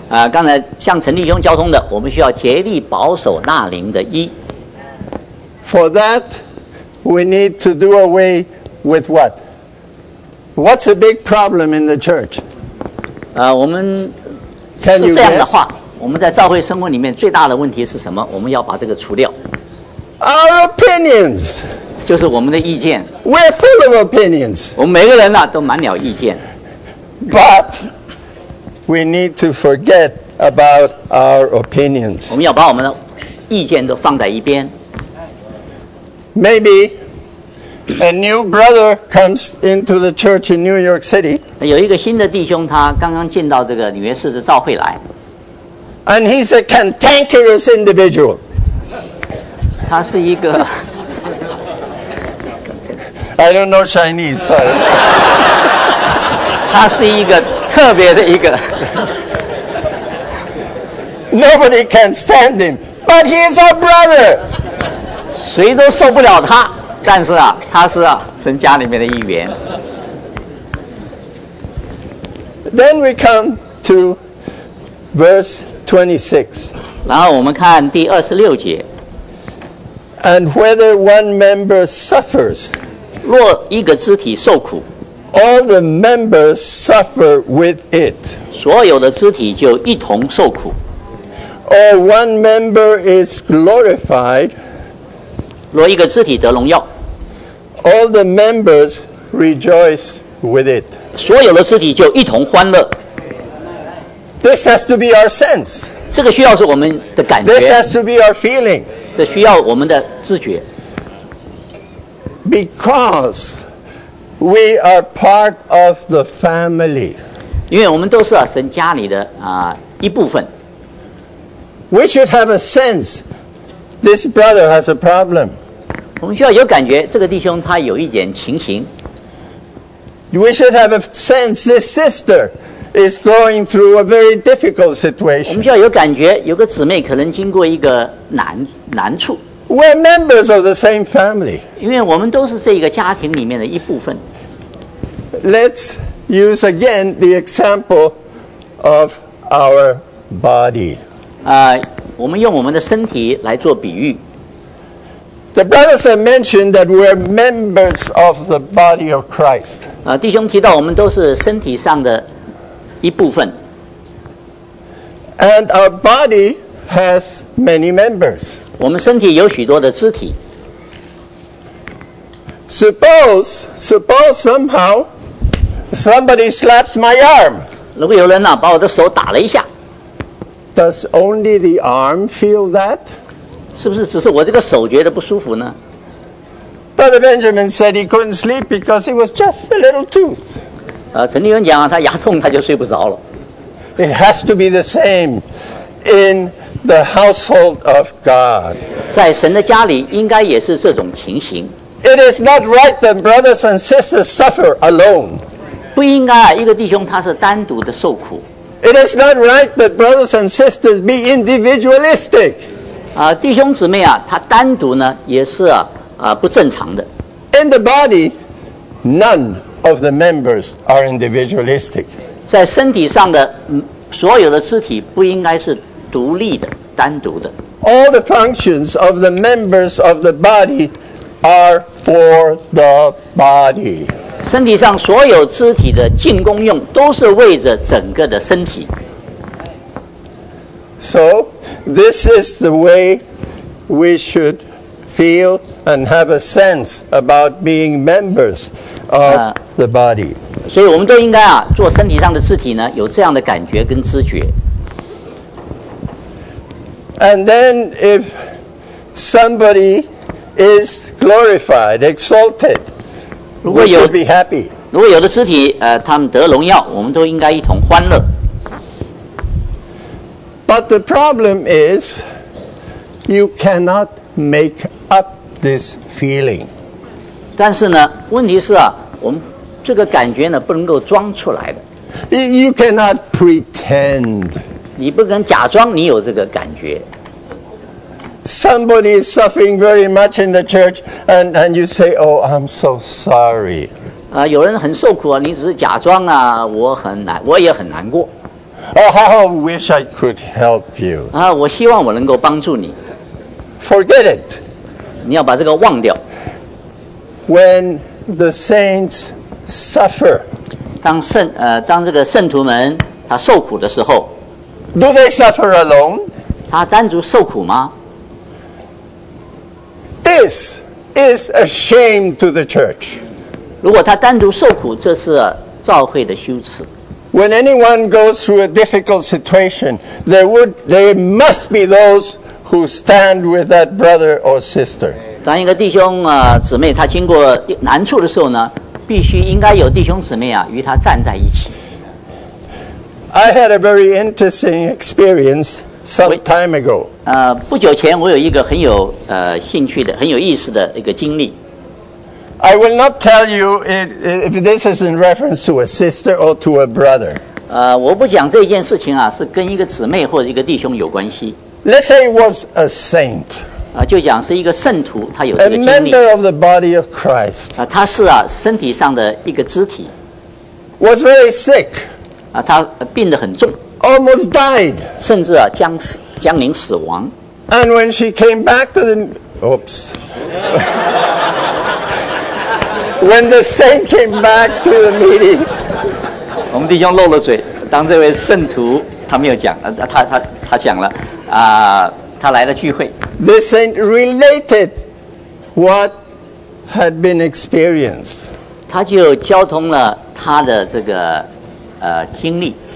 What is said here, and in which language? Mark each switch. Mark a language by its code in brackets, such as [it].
[zh] 刚才向陈弟兄交通的，我们需要竭力保守那灵的一。 [en] For that, we need to do away with what? What's a big problem in the church? [zh] 我们是这样的话，我们在教会生活里面最大的问题是什么？我们要把这个除掉。 [en] Our opinions， [zh] 就是我们的意见。 [en] We're full of opinions。 [zh] 我们每个人呢、都满了意见。 [en] But we need to forget about our opinions。 [zh] 我们要把我们的意见都放在一边。 [en] Maybe a new brother comes into the church in New York City. [zh] 有一个新的弟兄，他刚刚进到这个纽约市的教会来。 [en] And he's a cantankerous individual. [zh] 他是一个。 [en] I don't know Chinese, sorry. [zh] 他是一个特别的一个。 [en] Nobody can stand him, but he is our brother. [zh] 谁都受不了他。但是啊，他是啊，神家里面的一员。 [en] Then we come to verse 26. [zh] 然后我们看第二十六节。 [en] And whether one member suffers, [zh] 若一个肢体受苦 [en] ，all the members suffer with it. [zh] 所有的肢体就一同受苦。 [en] Or one member is glorified. [zh] 若一个肢体得荣耀。 [en] All the members rejoice with it. [zh] 所有的肢体就一同欢乐。 [en] This has to be our sense. [zh] 这个需要是我们的感觉。 [en] This has to be our feeling. [zh] 这需要我们的知觉。 [en] Because we are part of the family. [zh] 因为我们都是神家里的一部分。 [en] We should have a sense. This brother has a problem. [zh] 我们需要有感觉，这个弟兄他有一点情形。 [en] We should have a sense this sister is going through a very difficult situation. [zh] 我们需要有感觉，有个姊妹可能经过一个难处。 [en] We're members of the same family. [zh] 因为我们都是这个家庭里面的一部分。 [en] Let's use again the example of our body. [zh] 我们用我们的身体来做比喻。 [en] The brothers have mentioned that we're members of the body of Christ. [zh] 弟兄提到我们都是身体上的一部分。 [en] And our body has many members. [zh] 我们身体有许多的肢体。 [en] Suppose somehow somebody slaps my arm. [zh] 如果有人把我的手打了一下。 [en] Does only the arm feel that? [zh] 是不是只是我这个手觉得不舒服呢？ [en] Brother Benjamin said he couldn't sleep because it was just a little tooth. [zh] 陈立文讲啊，他牙痛他就睡不着了。 [en] It has to be the same in the household of God. [zh] 在神的家里应该也是这种情形。 [en] It is not right that brothers and sisters suffer alone. [zh] 不应该啊，一个弟兄他是单独的受苦。 [en] It is not right that brothers and sisters be individualistic. [zh] 弟兄姊妹啊，他单独呢也是啊。不正常的。 [en] In the body, none of the members are individualistic. [zh] 在身体上的所有的肢体不应该是独立的、单独的。 [en] All the functions of the members of the body are for the body. [zh] 身体上所有肢体的进攻用都是为着整个的身体。 [en] So, this is the way we should feel and have a sense about being members of the body. [zh] 所以我们都应该啊，做身体上的肢体呢，有这样的感觉跟知觉。 [en] And then if somebody is glorified, exalted, we should be happy. [zh] 如果有的肢体他们得荣耀，我们都应该一同欢乐。 [en] But the problem is, you cannot make up this feeling. [zh] 但是呢，问题是啊，我们这个感觉呢，不能够装出来的。 [en] You cannot pretend. [zh] 你不能假装你有这个感觉。 [en] Somebody is suffering very much in the church, and you say, "Oh, I'm so sorry." [zh] 有人很受苦啊，你只是假装啊，我也很难过。 [en] Oh, how I wish I could help you. [zh] 我希望我能够帮助你。 [en] Forget it. [zh] 你要把这个忘掉。 [en] When the saints suffer, [zh] 当这个圣徒们他受苦的时候 [en] ，Do they suffer alone? [zh] 他单独受苦吗 [en] ？This is a shame to the church. [zh] 如果他单独受苦，这是教会的羞耻。 [en] When anyone goes through a difficult situation, they must be those who stand with that brother or sister. [zh] 当一个弟兄姊妹他经过难处的时候呢，必须应该有弟兄姊妹啊与他站在一起。 [en] I had a very interesting experience some time ago. [zh] 不久前我有一个很有兴趣的、很有意思的一个经历。 [en] I will not tell you if this is in reference to a sister or to a brother. [zh] 我不讲这件事情啊，是跟一个姊妹或者一个弟兄有关系。 [en] Let's say it was a saint. [zh] 就讲是一个圣徒，他有这个经历。 [en] A member of the body of Christ. [zh] 他是啊，身体上的一个肢体。 [en] Was very sick. [zh] 他病得很重。 [en] Almost died. [zh] 甚至啊，将临死亡。 [en] And when she came back to the, oops. When the saint came back to the meeting, [zh] 我们弟兄漏了嘴。当这位圣徒他没有讲，他讲了他来了聚会。 [en] The saint related what had been experienced. [zh] 他就交通了他的这个经历。